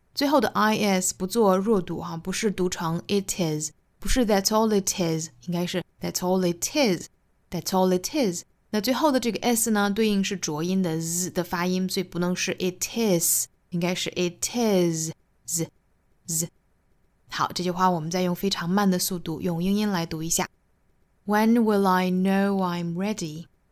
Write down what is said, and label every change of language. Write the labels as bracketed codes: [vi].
[zh] 最后的 is 不做弱读哈，不是读成 it is， 不是 [en] that's all it is， [zh] 应该是 that's all it is. [en] That's all it is. [zh] 那最后的这个 s 呢，对应是浊音的 z 的发音，所以不能是 it is。应该是 it is, z, z. 好，这句话我们再用非常慢的速度用英音来读一下。 [en] When will I know I'm ready?